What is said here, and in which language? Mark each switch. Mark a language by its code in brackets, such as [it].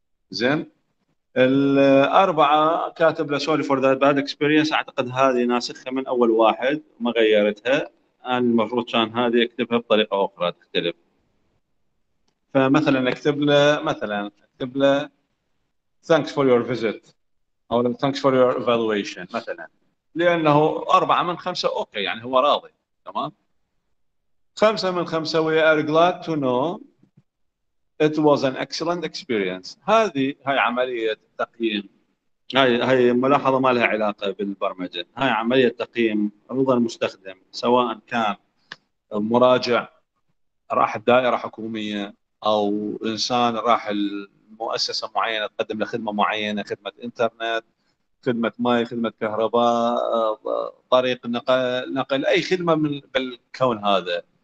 [ar] زين، الأربعة كاتب له [en] sorry for that bad experience، [ar] أعتقد هذه ناسخة من أول واحد ما غيرتها، أنا المفروض كان هذه أكتبها بطريقة أخرى تختلف. فمثلا أكتب له، [en] thanks for your visit، [ar] أو [en] thanks for your evaluation [ar] مثلا، لأنه 4 من 5 أوكي، يعني هو راضي. تمام، 5 من 5 [en] we are glad to know it was an excellent experience. [ar] هاي عملية تقييم، هاي ملاحظة ما لها علاقة بالبرمجة، هاي عملية تقييم رضا المستخدم، سواء كان مراجع راح الدائرة حكومية، أو إنسان راح مؤسسة معينة تقدم لخدمة معينة، خدمة إنترنت، خدمة ماي، خدمة كهرباء، طريق نقل، أي خدمة من بالكون هذا.